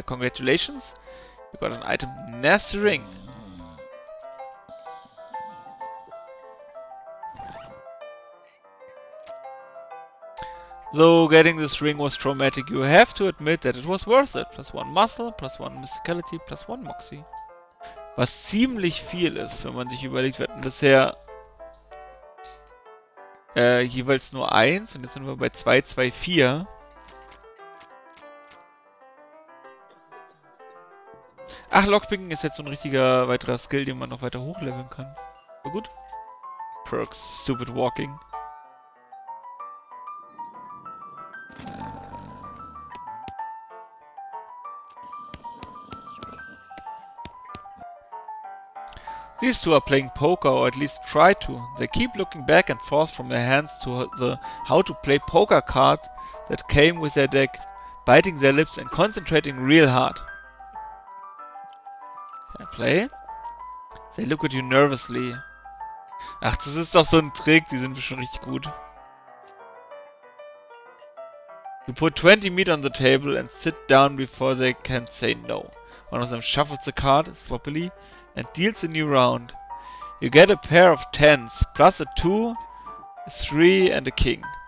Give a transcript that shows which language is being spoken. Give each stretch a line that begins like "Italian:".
English: Congratulations, you got an item, nasty ring. Though getting this ring was traumatic, you have to admit that it was worth it. Plus one muscle, plus one mysticality, plus one moxie.
German: Was ziemlich viel ist, wenn man sich überlegt, wir hatten bisher jeweils nur eins und jetzt sind wir bei 2, 2, 4. Ach, Lockpicking ist jetzt so ein richtiger weiterer Skill, den man noch weiter hochleveln kann. Aber gut. Perks, stupid walking.
English: These two are playing poker, or at least try to. They keep looking back and forth from their hands to the how to play poker card that came with their deck, biting their lips and concentrating real hard. Can I play? They look at you nervously.
German: Ach, das ist doch so ein Trick, die sind schon richtig gut.
English: You put 20 meat on the table and sit down before they can say no. One of them shuffles the card sloppily and deals a new round. You get a pair of tens, plus a two, a three, and a king.